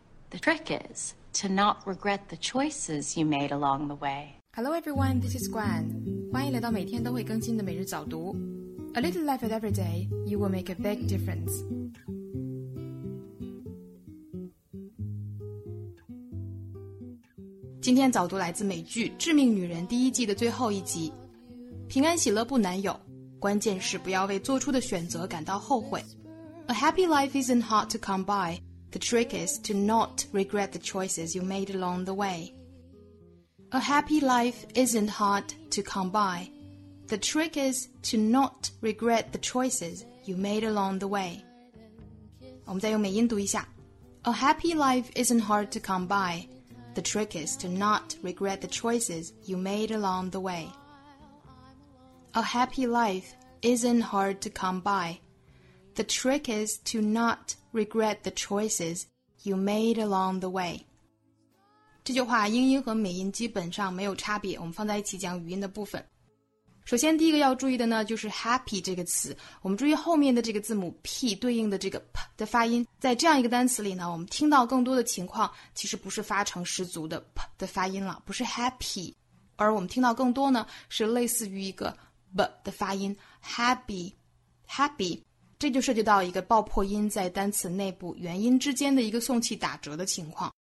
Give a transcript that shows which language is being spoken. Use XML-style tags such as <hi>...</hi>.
<en>The trick is to not regret the choices you made along the way. Hello everyone, this is Gwen.</en> <zh>欢迎来到每天都会更新的每日早读。</zh> <en>A little life every day, you will make a big difference.</en> <zh>今天早读来自美剧《致命女人》第一季的最后一集，平安喜乐不难有，关键是不要为做出的选择感到后悔。</zh> <en>A happy life isn't hard to come by. The trick is to not regret the choices you made along the way. A happy life isn't hard to come by. The trick is to not regret the choices you made along the way.</en> <zh>我们再用美音读一下。</zh> <en>A happy life isn't hard to come by. The trick is to not regret the choices you made along the way. A happy life isn't hard to come by. The trick is to not regret the choices you made along the way.</en> <zh>这句话英音和美音基本上没有差别，我们放在一起讲语音的部分。首先第一个要注意的呢，就是 happy 这个词，我们注意后面的这个字母 p 对应的这个 p 的发音，在这样一个单词里呢，我们听到更多的情况其实不是发成十足的 p 的发音了，不是 happy， 而我们听到更多呢是类似于一个 b 的发音 happy happy， 这就涉及到一个爆破音在单词内部元音之间的一个送气打折的情况。</zh>